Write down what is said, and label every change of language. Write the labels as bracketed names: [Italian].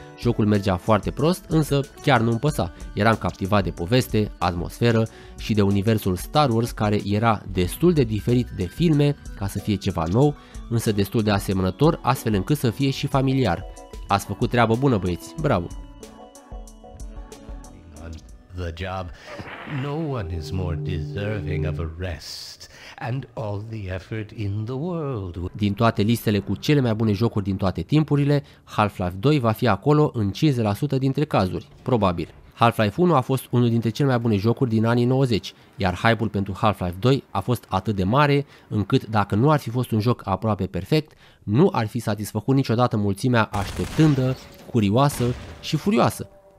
[Romanian] Jocul mergea foarte prost, însă chiar nu-mi păsa. Eram captivat de poveste, atmosferă și de universul Star Wars, care era destul de diferit de filme ca să fie ceva nou, însă destul de asemănător astfel încât să fie și familiar. Ați făcut treabă bună, băieți. Bravo! [English] The job. No one is more deserving of a rest and all the effort in the world. [Romanian] Din toate listele cu cele mai bune jocuri din toate timpurile, Half-Life 2 va fi acolo în 50% dintre cazuri, probabil. Half-Life 1 a fost unul dintre cele mai bune jocuri din anii 90, iar hype-ul pentru Half-Life 2 a fost atât de mare, încât dacă nu ar fi fost un joc aproape perfect, nu ar fi satisfăcut niciodată mulțimea așteptândă, curioasă și furioasă.